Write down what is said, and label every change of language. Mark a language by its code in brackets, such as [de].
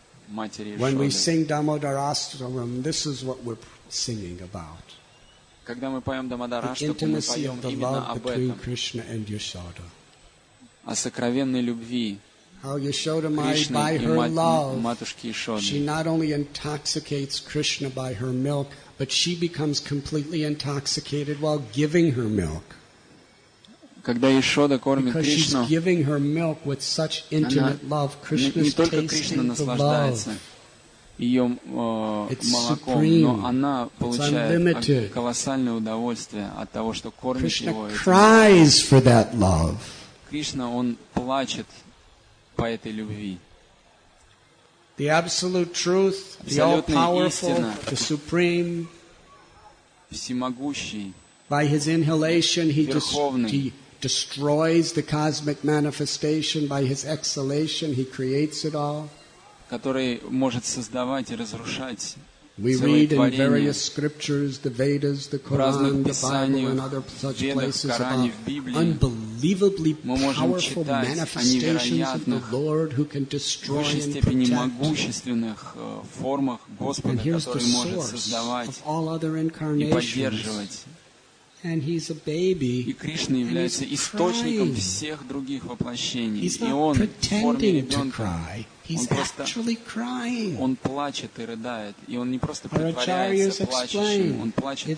[en] When we sing Damodarashtram, this is what we're singing about. [ru] Когда мы поем Дамодараштру, мы поем именно об этом. [en] Krishna and Yashoda. [ru] О сокровенной любви. [en] How Yashoda Maya, by her love, [ru] матушки Яшоды. [en] She not only intoxicates Krishna by her milk, but she becomes completely intoxicated while giving her milk. [ru] Когда Яшода кормит Кришну, она не только Кришна наслаждается ее молоком, но она получает колоссальное удовольствие от того, что кормит его. Кришна, он плачет по этой любви. [en] the absolute truth, the all-powerful, the supreme. [ru] Всемогущий. [en] By his inhalation, he just destroys the cosmic manifestation. By his exhalation, he creates it all. [ru] Который может создавать и разрушать целое творение. [en] We read in various scriptures, the Vedas, the Quran, the Bible, and other such places about unbelievably powerful manifestations of the Lord who can destroy and protect. And here's the source of all other incarnations. And he's a baby. [ru] И Кришна является источником всех других воплощений. [en] He's [ru] и он [en] pretending to cry. He's actually crying. [ru] Он плачет и рыдает, и он не просто притворяется плачущим, он плачет